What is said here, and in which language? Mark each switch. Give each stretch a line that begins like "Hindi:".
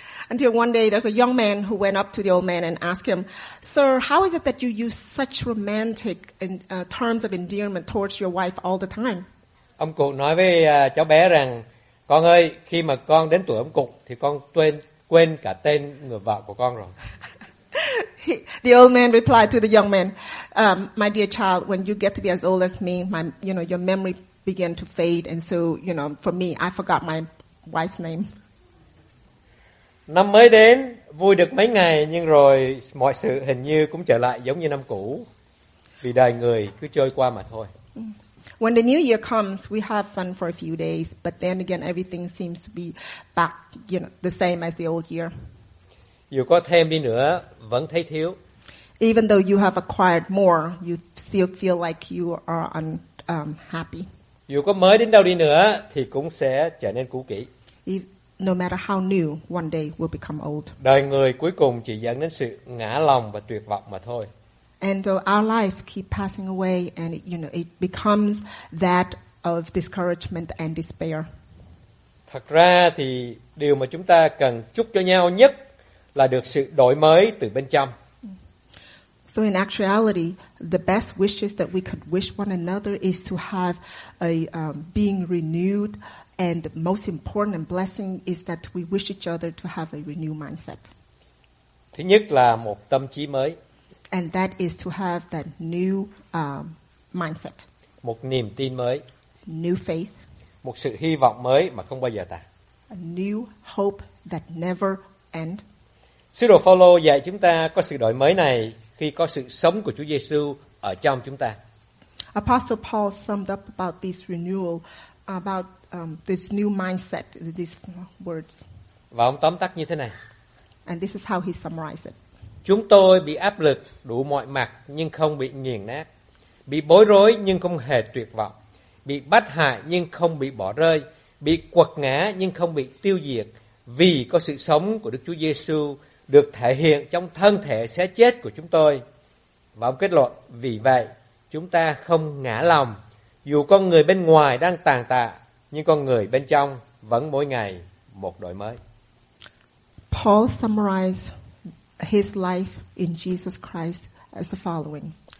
English: Until one day there's a young man who went up to the old man and asked him, "Sir, how is it that you use such romantic in terms of endearment towards your wife all the time?"
Vietnamese: Ông cụ nói với cháu bé rằng, "Con ơi, khi mà con đến tuổi ông cụ thì con quên cả tên người vợ của con rồi."
English: The old man replied to the young man, "My dear child, when you get to be as old as me, your memory began to fade, and so, you know, for me, I forgot my wife's name."
Vietnamese: Năm mới đến, vui được mấy ngày, nhưng rồi mọi sự hình như cũng trở lại giống như năm cũ, vì đời người cứ trôi qua mà thôi.
English: When the new year comes, we have fun for a few days, but then again, everything seems to be back, you know, the same as the old year.
Vietnamese: Dù có thêm đi nữa, vẫn thấy thiếu.
English: Even though you have acquired more, you still feel like you are happy.
Vietnamese: Dù có mới đến đâu đi nữa thì cũng sẽ trở nên cũ kỹ.
English: No matter how new, one day will become old.
Vietnamese: Đời người cuối cùng chỉ dẫn đến sự ngã lòng và tuyệt vọng mà thôi.
English: And so our life keep passing away and it, you know, it becomes that of discouragement and despair.
Vietnamese: Thật ra thì điều mà chúng ta cần chúc cho nhau nhất là được sự đổi mới từ bên trong.
English: So in actuality, the best wishes that we could wish one another is to have a being renewed, and the most important and blessing is that we wish each other to have a renewed mindset.
Vietnamese: Thứ nhất là một tâm trí mới.
English: And that is to have that new mindset.
Vietnamese: Một niềm tin mới.
English: New faith.
Vietnamese: Một sự hy vọng mới mà không bao giờ tàn.
English: A new hope that never end.
Vietnamese: Sứ đồ Phaolô dạy chúng ta có sự đổi mới này khi có sự sống của Chúa Giêsu ở trong chúng ta.
English: Apostle Paul summed up about this renewal, about this new mindset, these words.
Vietnamese: Và ông tóm tắt như thế này.
English: And this is how he summarized it.
Vietnamese: Chúng tôi bị áp lực đủ mọi mặt nhưng không bị nghiền nát, bị bối rối nhưng không hề tuyệt vọng, bị bắt hại nhưng không bị bỏ rơi, bị quật ngã nhưng không bị tiêu diệt, vì có sự sống của Đức Chúa Giêsu được thể hiện trong thân thể sẽ chết của chúng tôi. Và ông kết luận, vì vậy chúng ta không ngã lòng, dù con người bên ngoài đang tàn tạ, nhưng con người bên trong vẫn mỗi ngày một đổi mới.
English: Paul summarized his life in Jesus Christ as the following.